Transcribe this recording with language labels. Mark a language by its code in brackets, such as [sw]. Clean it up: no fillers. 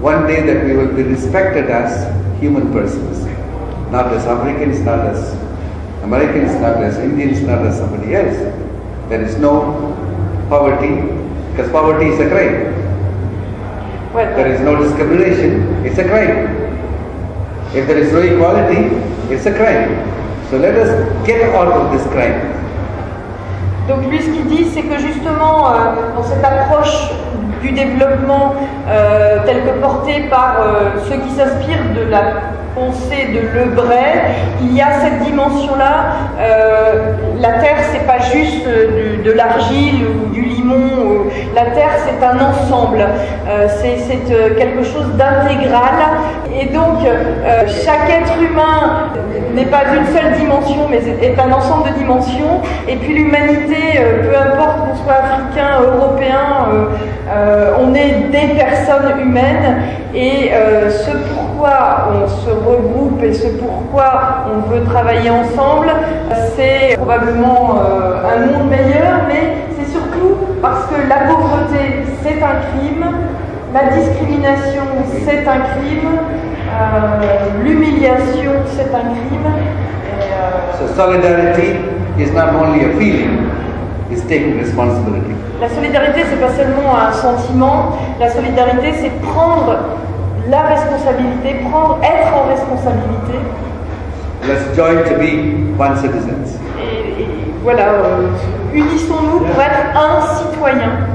[en] One day that we will be respected as human persons, not as Africans, not as Americans, not as Indians, not as somebody else. There is no poverty, because poverty is a crime. Well, there is no discrimination, it's a crime. If there is no equality, it's a crime. So let us get out of this crime. [fr] Donc lui, ce qu'il dit, c'est que justement, dans cette approche du développement tel que porté par ceux qui s'inspirent de la pensée de Le Bray, il y a cette dimension-là. La terre, c'est pas juste de l'argile ou du limon. La terre, c'est un ensemble. C'est quelque chose d'intégral. Et donc, chaque être humain n'est pas une seule dimension, mais est un ensemble de dimensions. Et puis l'humanité, peu importe qu'on soit africain, européen, on est des personnes humaines. Et ce pourquoi on se regroupe et ce pourquoi on veut travailler ensemble, c'est probablement un monde meilleur, mais c'est surtout parce que la pauvreté, c'est un crime, la discrimination, c'est un crime, l'humiliation, c'est un crime. [en] So solidarity is not only a feeling, it's taking responsibility. [fr] La solidarité, c'est pas seulement un sentiment, la solidarité, c'est prendre la responsabilité, prendre, être en responsabilité. [en] Let's join to be one citizens. [fr] Et voilà, unissons-nous pour être un citoyen.